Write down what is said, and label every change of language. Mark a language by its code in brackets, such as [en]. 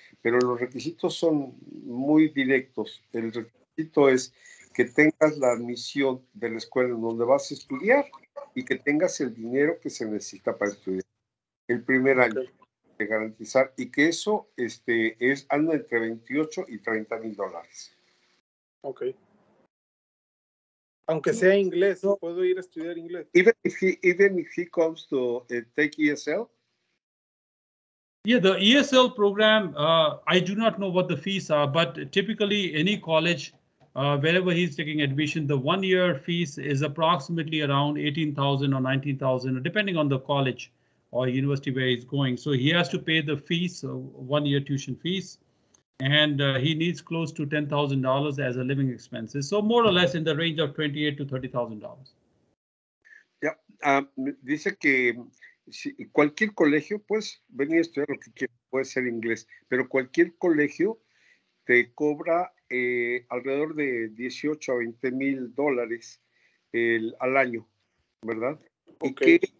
[es] Pero los requisitos son muy directos. El requisito es que tengas la admisión de la escuela en donde vas a estudiar y que tengas el dinero que se necesita para estudiar el primer año, okay, de garantizar, y que eso anda entre $28,000 y $30,000. [en] Ok. [es] Aunque sea inglés, no puedo ir a estudiar inglés. [en] Even if he comes to take ESL. Yeah, the ESL program, I do not know what the fees are, but typically any college, wherever he's taking admission, the 1 year fees is approximately around 18,000 or 19,000, depending on the college or university where he's going. So he has to pay the fees, 1 year tuition fees. And he needs close to $10,000 as a living expenses. So more or less in the range of $28,000 to $30,000. Yeah. [es] Dice que si, cualquier colegio, pues, venir a estudiar lo que quiera, puede ser inglés, pero cualquier colegio te cobra alrededor de $18,000 to $20,000 al año, ¿verdad? Okay.